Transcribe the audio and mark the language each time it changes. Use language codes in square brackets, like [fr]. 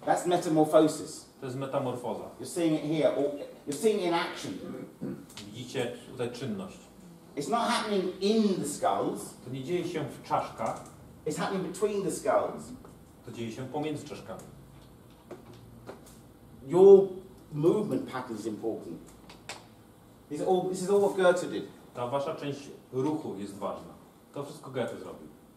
[en] That's metamorphosis. [pl] To jest metamorfoza. [en] You're seeing it here, or you're seeing it in action. [pl] Widzicie tutaj czynność. [en] It's not happening in the skulls. [pl] To nie dzieje się w czaszkach. [en] It's happening between the skulls. [pl] To dzieje się pomiędzy czaszkami. [en] Your movement pattern is important. This is all what Goethe did. [pl] Ta wasza część ruchu jest ważna. To wszystko Goethe zrobił.